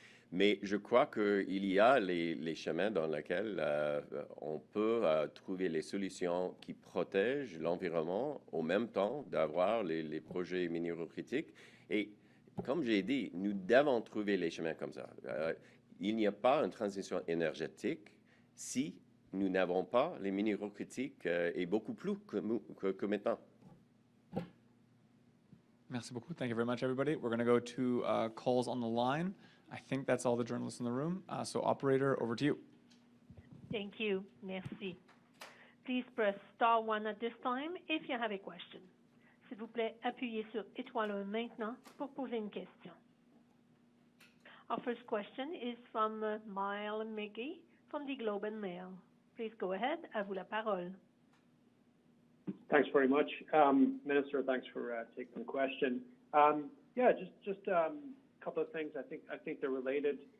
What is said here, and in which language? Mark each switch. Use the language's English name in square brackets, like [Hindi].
[French] Mais je crois qu'il y a les chemins dans lesquels on peut trouver les solutions qui protègent l'environnement au même temps d'avoir les projets minéraux critiques. Et comme j'ai dit, nous devons trouver les chemins comme ça. Il n'y a pas une transition énergétique si nous n'avons pas les minéraux critiques et beaucoup plus que maintenant. Merci beaucoup. [English] Thank you very much, everybody. We're going to go to calls on the line. I think that's all the journalists in the room. So, operator, over to you. Thank you. Merci. Please press star one at this time if you have a question. [French] S'il vous plaît, appuyez sur étoile maintenant pour poser une question. [English] Our first question is from Mile McGee from the Globe and Mail. Please go ahead. [French] À vous la parole. [English] Thanks very much. Minister, thanks for taking the question. Couple of things. I think they're related.